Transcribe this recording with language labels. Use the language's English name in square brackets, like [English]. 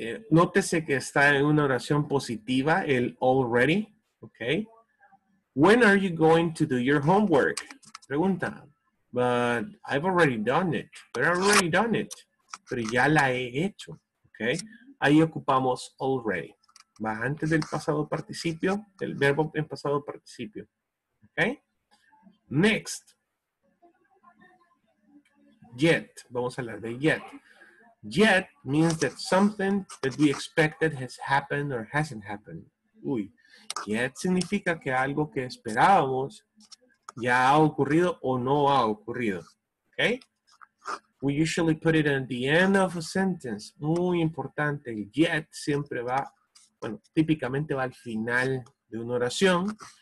[Spanish] Nótese que está en una oración positiva, el already, ¿ok? [English] When are you going to do your homework? [Spanish] Pregunta, [English] but I've already done it. [Spanish] Pero ya la he hecho, ¿ok? Ahí ocupamos already. Va antes del pasado participio, el verbo en pasado participio, ¿ok? [English] Next. [Spanish] Yet. Vamos a hablar de yet. [English] Yet means that something that we expected has happened or hasn't happened. Uy. [Spanish] Yet significa que algo que esperábamos ya ha ocurrido o no ha ocurrido. Okay? [English] We usually put it at the end of a sentence. [Spanish] Muy importante. Yet siempre va, bueno, típicamente va al final de una oración.